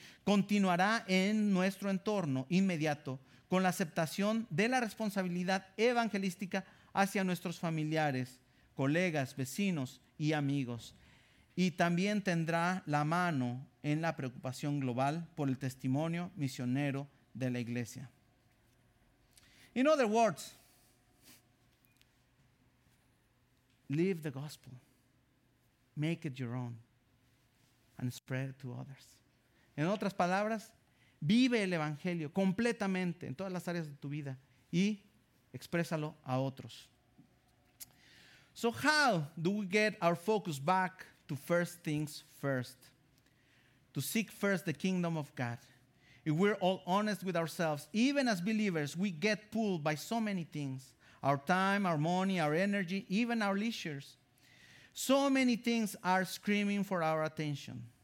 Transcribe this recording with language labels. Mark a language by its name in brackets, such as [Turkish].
[Spanish] Continuará en nuestro entorno inmediato con la aceptación de la responsabilidad evangelística hacia nuestros familiares, colegas, vecinos y amigos. Y también tendrá la mano en la preocupación global por el testimonio misionero de la iglesia. [English] In other words, live the gospel. Make it your own and spread it to others. [Spanish] En otras palabras, vive el Evangelio completamente en todas las áreas de tu vida y exprésalo a otros. [English] So how do we get our focus back to first things first? To seek first the kingdom of God. If we're all honest with ourselves, even as believers, we get pulled by so many things. Our time, our money, our energy, even our leisures. So many things are screaming for our attention.